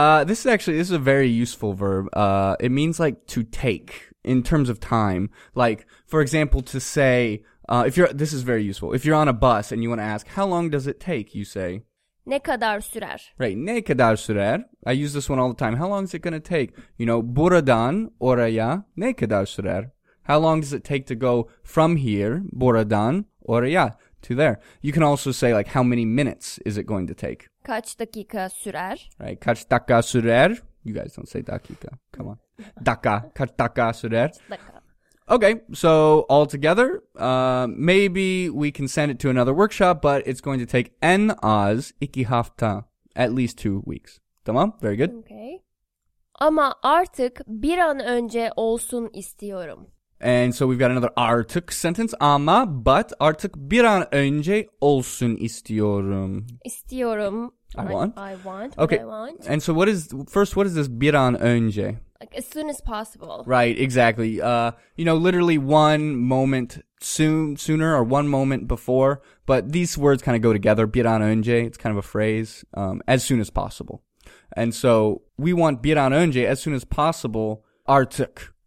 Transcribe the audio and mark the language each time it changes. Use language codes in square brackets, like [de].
[en] This is a very useful verb. It means like to take in terms of time. Like, for example, to say... this is very useful. If you're on a bus and you want to ask, how long does it take? You say, [tr] ne kadar sürer? [en] Right, [tr] ne kadar sürer? [en] I use this one all the time. How long is it going to take? You know, [tr] buradan oraya ne kadar sürer? [en] How long does it take to go from here, [tr] buradan oraya, [en] to there? You can also say, like, how many minutes is it going to take? [tr] Kaç dakika sürer? [en] Right, [tr] kaç dakika sürer? [en] You guys don't say [tr] dakika. [en] Come on. [tr] Dakika. Kaç dakika sürer? Dakika. [en] Okay, so all together, maybe we can send it to another workshop, but it's going to take [tr] en az 2 hafta, [en] at least 2 weeks. Tamam, very good. Okay. [tr] Ama artık bir an önce olsun istiyorum. [en] And so we've got another artık sentence. [tr] Ama, [en] but [tr] artık bir an önce olsun istiyorum. İstiyorum. [en] I want. Okay. What I want. And so what is this bir an önce? Like, as soon as possible. Right, exactly. Literally one moment sooner or one moment before. But these words kind of go together. [tr] Bir an önce, [en] it's kind of a phrase. As soon as possible. And so we want [tr] bir an önce, [en] as soon as possible, artık.